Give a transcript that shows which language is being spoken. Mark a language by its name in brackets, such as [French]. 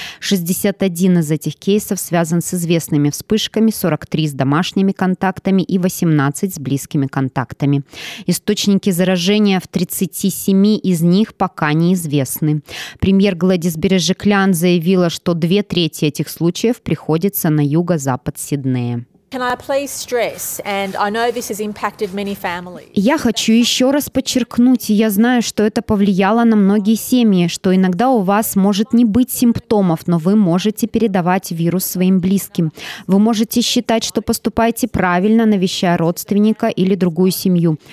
[Russian] 61 из этих кейсов связан с известными вспышками, 43 с домашними контактами и 18 с близкими контактами. Источники заражения в 37 из них пока неизвестны. Премьер Гладис Бережеклян заявила, что 2/3 этих случаев приходится на юго-запад Сиднея. [English] Can I please stress, and I know this has impacted many families. [Russian] Я хочу еще раз подчеркнуть, и я знаю, что это повлияло на многие семьи, что иногда у вас может не быть симптомов, но вы можете передавать вирус своим близким. Вы можете считать, что поступаете правильно, навещая родственника или другую семью.